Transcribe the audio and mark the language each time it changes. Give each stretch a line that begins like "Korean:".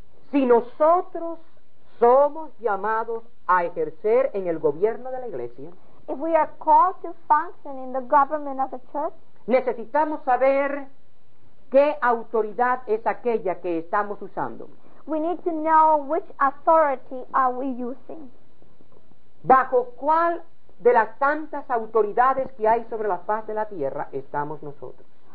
Spanish: Si nosotros somos llamados a ejercer en el gobierno de la iglesia,
English: if we are called to function in the government of the church,
Spanish: necesitamos saber qué autoridad es aquella que estamos usando.
English: We need to know which authority are we using.
Spanish: Bajo cuál de las tantas autoridades que hay sobre la faz de la tierra estamos nosotros.